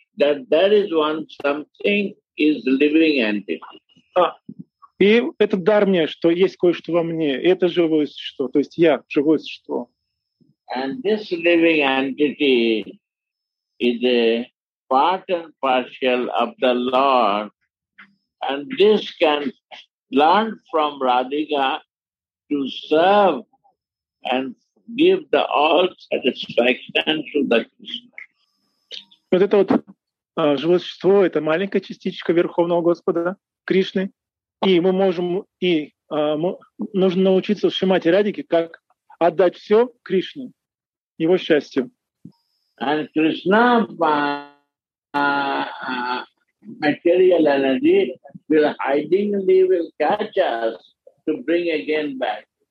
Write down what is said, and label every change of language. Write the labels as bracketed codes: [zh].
[en] That there is one something is living entity. [ru] И этот дар мне, что есть кое-что во мне, это живое существо, то есть я живое существо. [en] And this living entity is a part and partial of the Lord, and this can learn from Radhika to serve and give the all satisfaction to the Krishna. [ru] Вот это вот. Живое существо — это маленькая частичка Верховного Господа Кришны. И мы можем, и нужно научиться в Шримати Радике, как отдать все Кришне, его счастью. [en] And Krishna, material energy will hidingly will catch us to bring again back.